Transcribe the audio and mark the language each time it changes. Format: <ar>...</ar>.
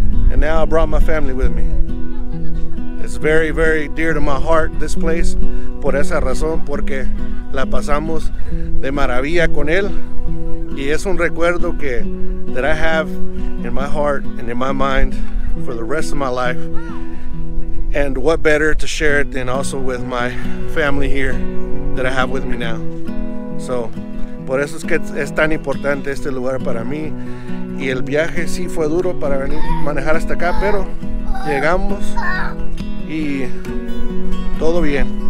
<en>And now I brought my family with me. It's very, very dear to my heart, this place.</en> <es>Por esa razón, porque la pasamos de maravilla con él. Y es un recuerdo que</es> <en>that I have in my heart and in my mind for the rest of my life. And what better to share it than also with my family here that I have with me now.</en> <es>So, por eso es que es tan importante este lugar para mí. Y el viaje sí fue duro para venir manejar hasta acá, pero llegamos y todo bien.</es>